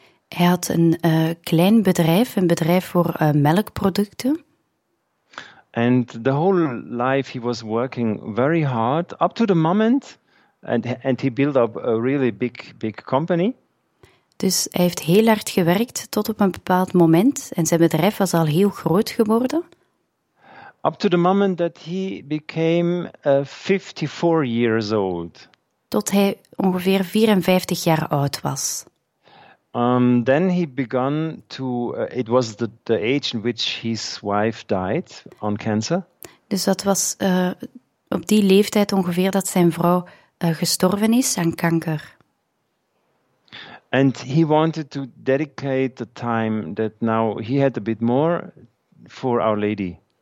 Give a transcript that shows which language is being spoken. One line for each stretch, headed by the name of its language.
Dutch: Hij had een klein bedrijf, een bedrijf voor melkproducten.
English: And the whole life he was working very hard up to the moment. And he built up a really big company.
Dutch: Dus hij heeft heel hard gewerkt tot op een bepaald moment en zijn bedrijf was al heel groot geworden.
English: Up to the moment that he became 54 years old.
Dutch: Tot hij ongeveer 54 jaar oud was.
English: Then he began to. It was the age in which his wife died on cancer.
Dutch: Dus dat was op die leeftijd ongeveer dat zijn vrouw gestorven is aan kanker.
English: And he wanted to dedicate the time that now he had a bit more for Our Lady.